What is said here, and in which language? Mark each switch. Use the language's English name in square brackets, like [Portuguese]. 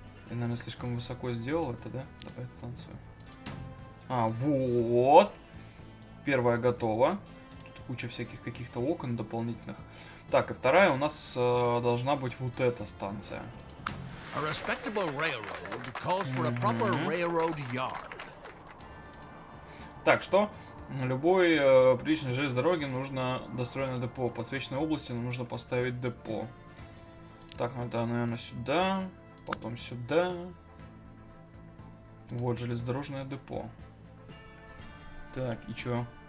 [Russian] Я, наверное, слишком высоко сделал это, да? Добавить станцию. А, вот. Первая готова. Тут куча всяких каких-то окон дополнительных. Так, и вторая у нас должна быть вот эта станция. [English] A respectable railroad calls for a proper railroad yard. [Russian] Так, что? Любой приличной железной дороге нужно достроенное депо. Подсвеченной области нужно поставить депо. Так, ну это, наверное, сюда. Потом сюда. Вот, железнодорожное депо. Так, и чё?